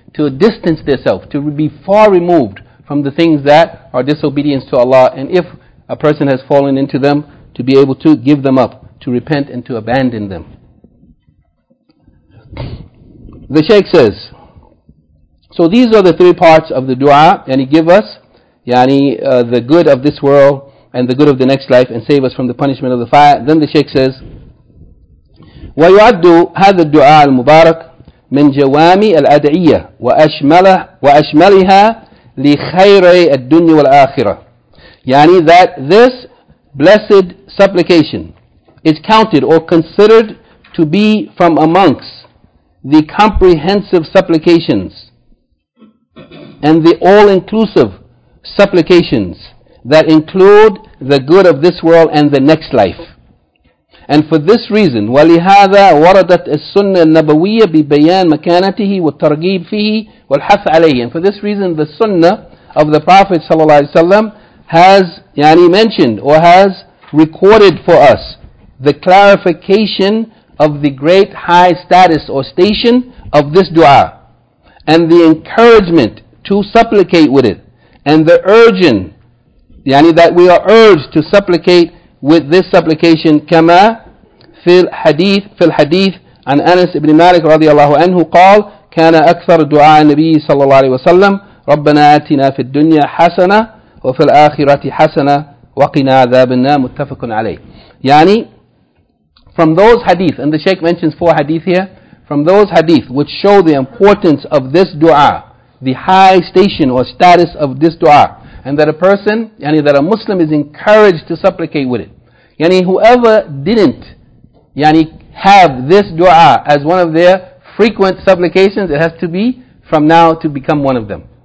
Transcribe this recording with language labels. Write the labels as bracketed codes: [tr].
[en] to distance themselves, to be far removed from the things that are disobedience to Allah, and if a person has fallen into them, to be able to give them up, to repent and to abandon them. The Shaykh says, so these are the three parts of the dua, and he give us the good of this world and the good of the next life, and save us from the punishment of the fire. Then the Shaykh says, [ar] وَيُعَدُّ هَذَا الدُّعَاءَ الْمُبَارَكُ مِنْ جَوَامِ الْأَدْعِيَةِ وَأَشْمَلِهَا لِخَيْرِ الدُّنْيَا وَالْآخِرَةِ. [en] يعني that this blessed supplication is counted or considered to be from amongst the comprehensive supplications and the all-inclusive supplications that include the good of this world and the next life. And for this reason, [ar] وَلِهَذَا وَرَدَتْ السُنَّةَ النَّبَوِيَّةَ بِبَيَانِ مَكَانَتِهِ وَالتَّرْغِيبِ فِيهِ وَالْحَثَ عَلَيْهِ. [en] And for this reason, the sunnah of the Prophet ﷺ has mentioned or has recorded for us the clarification of the great high status or station of this dua, and the encouragement to supplicate with it, and the urging, that we are urged to supplicate with this supplication. [ar] كما في الحديث عن أنس بن مالك رضي الله عنه قال كان أكثر دعاء النبي صلى الله عليه وسلم ربنا آتنا في الدنيا حسنة وفي الآخرة حسنة وقنا عذاب النار متفق عليه. [en] يعني from those hadith, and the Shaykh mentions four hadith here, from those hadith which show the importance of this dua, the high station or status of this dua, and that a person, that a Muslim is encouraged to supplicate with it. Whoever didn't, have this dua as one of their frequent supplications, it has to be from now to become one of them.